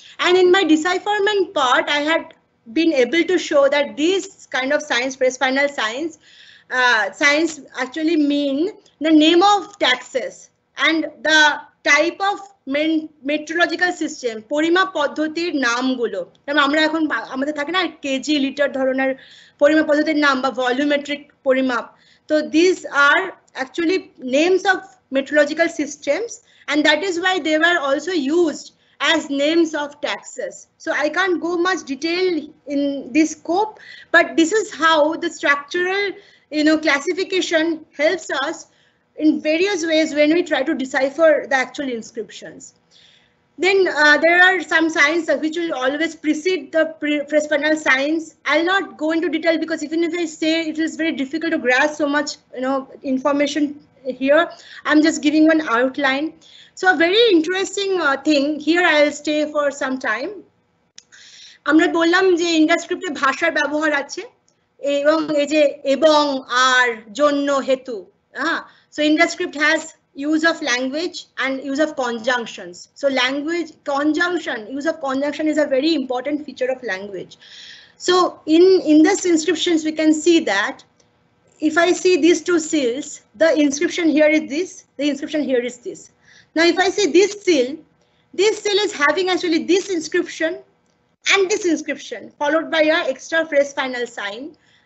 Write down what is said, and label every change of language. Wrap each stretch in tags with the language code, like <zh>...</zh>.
<en>And in my decipherment part, I had been able to show that these kind of signs, press final signs, signs actually mean the name of taxes and the type of metrological system,</en> <bn>পরিমাপ পদ্ধতির নামগুলো। তাহলে আমরা এখন আমাদের থাকে না KG litre ধরনের পরিমাপ পদ্ধতির নাম বা ভলিউমেট্রিক পরিমাপ।</bn> <en>তো this are actually names of metrological systems and that is why they are also used as names of taxes. So I can't go much detail in this scope, but this is how the structural you know classification helps us in various ways when we try to decipher the actual inscriptions. Then there are some signs which will always precede the press final signs. I'll not go into detail because even if I say it is very difficult to grasp so much, you know, information here, I'm just giving one outline. So a very interesting thing here, I'll stay for some time.</en> <bn>আমরা বললাম যে ইন্ডাস্ক্রিপ্টে ভাষার ব্যবহার আছে এবং এই যে এবং আর জন্য হেতু</bn> <en>So Indus script has use of language and use of conjunctions. So language conjunction, use of conjunction is a very important feature of language. So in Indus inscriptions, we can see that if I see these two seals, the inscription here is this, the inscription here is this. Now, if I see this seal is having actually this inscription and this inscription followed by an extra phrase final sign.</en>